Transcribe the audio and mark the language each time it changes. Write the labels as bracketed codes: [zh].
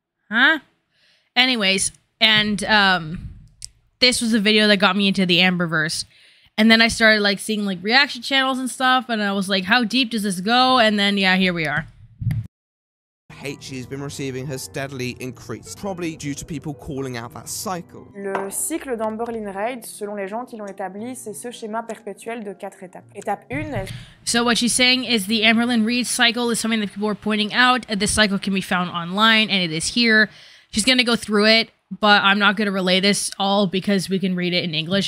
[en] Huh? Anyways, and this was the video that got me into the Amberverse. And then I started like seeing like reaction channels and stuff, and I was like, how deep does this go? And then, yeah, here we are. Hate she's been receiving has steadily increased, probably due to people calling out that cycle. [fr] Le cycle d'Amberlynn Reid, selon les gens qui l'ont établi, c'est ce schéma perpétuel de quatre étapes. Étape une. [en] So what she's saying is the Amberlynn Reid cycle is something that people are pointing out. This cycle can be found online, and it is here. She's going to go through it, but I'm not going to relay this all because we can read it in English.